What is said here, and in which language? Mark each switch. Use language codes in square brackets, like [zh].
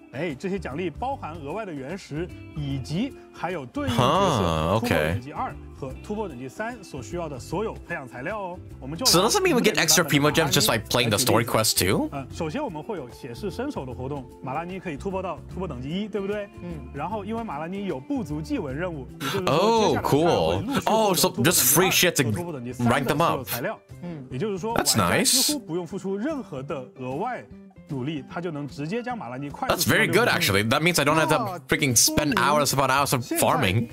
[zh] 哎，这些奖励包含额外的原石，以及还有对应的角色等级二和突破等级三所需要的所有培养材料哦。我们就 [en] So does that mean we get extra primo gems just by playing the story quest too? [zh] 首先我们会有写示身手的活动，马拉尼可以突破到突破等级一，对不对？嗯。然后因为马拉尼有部族祭文任务，也就是说接下来会陆续。 [en] Oh, cool. Oh, so just free shit to rank them up. [zh] 嗯，也就是说， [en] That's nice. [zh] 几乎不用付出任何的额外。 [en] That's very good, actually. That means I don't have to freaking spend hours upon hours of farming.